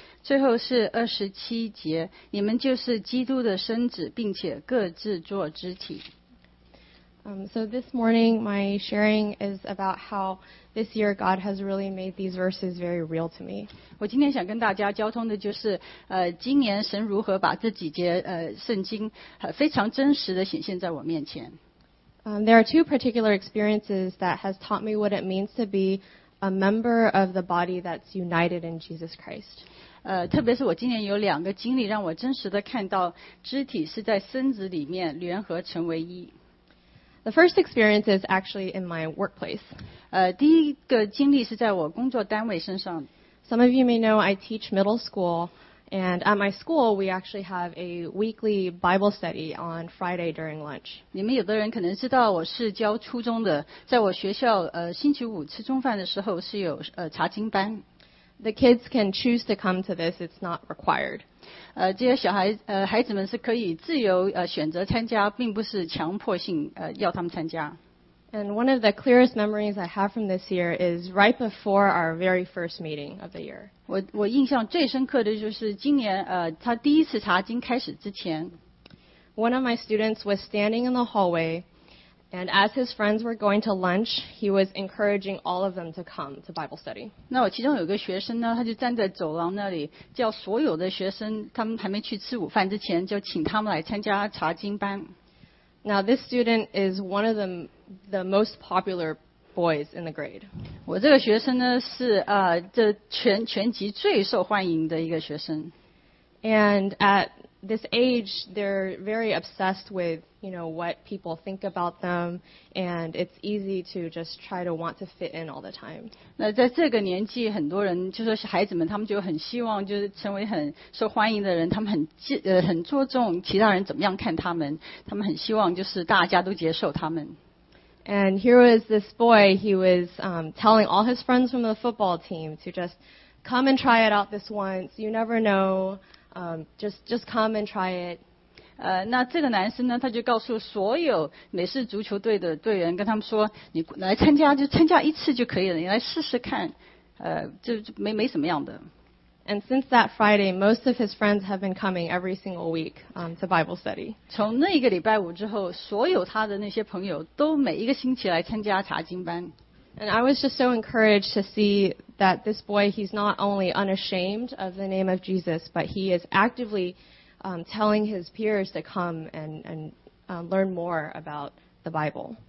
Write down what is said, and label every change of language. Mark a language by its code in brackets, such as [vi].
[zh] 最后是二十七节，你们就是基督的身子，并且各自做肢体。 [en] So this morning, my sharing is about how this year God has really made these verses very real to me. [zh] 我今天想跟大家交通的就是，今年神如何把这几节圣经非常真实的显现在我面前。 [en] There are two particular experiences that has taught me what it means to be a member of the body that's united in Jesus Christ. [zh] 特别是我今年有两个经历让我真实的看到肢体是在身子里面联合成为一。 [en] The first experience is actually in my workplace. [zh] 第一个经历是在我工作单位身上。 [en] Some of you may know I teach middle school, and at my school, we actually have a weekly Bible study on Friday during lunch. [zh] 你们有的人可能知道我是教初中的，在我学校星期五吃中饭的时候是有查经班。 [en] The kids can choose to come to this, it's not required. [zh] 这些小孩孩子们是可以自由选择参加，并不是强迫性要他们参加。 [en] And one of the clearest memories I have from this year is right before our very first meeting of the year. [zh] 我印象最深刻的就是今年他第一次查经开始之前。 [en] One of my students was standing in the hallway, and as his friends were going to lunch, he was encouraging all of them to come to Bible study. [zh] 那我其中有个学生呢，他就站在走廊那里，叫所有的学生，他们还没去吃午饭之前，就请他们来参加查经班。 [en] Now this student is one of the most popular boys in the grade. [zh] 我这个学生呢是这全级最受欢迎的一个学生。 [en] And at this age, they're very obsessed with, you know, what people think about them, and it's easy to just try to want to fit in all the time. [zh] 那在这个年纪，很多人就是孩子们，他们就很希望就是成为很受欢迎的人，他们很注重其他人怎么样看他们，他们很希望就是大家都接受他们。 [en] And here was this boy, he was telling all his friends from the football team to just come and try it out this once, you never know, just come and try it. [zh] 那这个男生呢，他就告诉所有美式足球队的队员，跟他们说，你来参加，就参加一次就可以了，你来试试看，没什么样的。 [en] And since that Friday, most of his friends have been coming every single week to Bible study. [zh] 从那个礼拜五之后，所有他的那些朋友都每一个星期来参加查经班。 [en] And I was just so encouraged to see that this boy, he's not only unashamed of the name of Jesus, but he is actively telling his peers to come and learn more about the Bible.